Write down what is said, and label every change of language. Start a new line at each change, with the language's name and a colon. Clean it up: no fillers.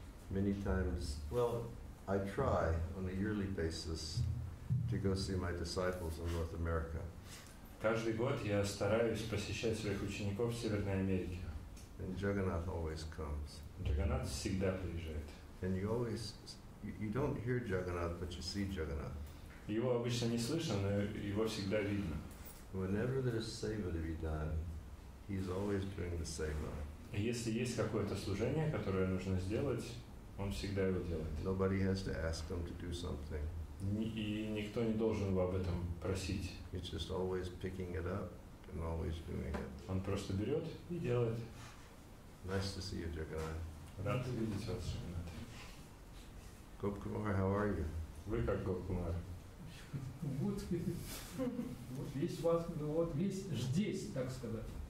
English: Many times, well, I try on a yearly basis to go see my disciples in North America.
Russian: Каждый год я стараюсь посещать своих учеников в Северной Америке.
English: And Jagannath always comes.
Russian: Джаганат всегда приезжает.
English: And you always, you don't hear Jagannath, but you see Jagannath.
Russian: Его обычно не слышно, но его всегда видно.
English: Whenever there's seva to be done, he's always doing the seva.
Russian: Если есть какое-то служение, которое нужно сделать, он всегда его делает.
English: Nobody has to ask him to do something.
Russian: И никто не должен его об этом просить.
English: He's just always picking it up and always doing it.
Russian: Он просто берет и делает.
English: Nice to see you, Jagannath.
Russian: Рад видеть вас, Джагат.
English: Gop Kumar, how are you?
Russian: Вы как Gop Kumar? Вот весь вас, вот весь здесь, так сказать.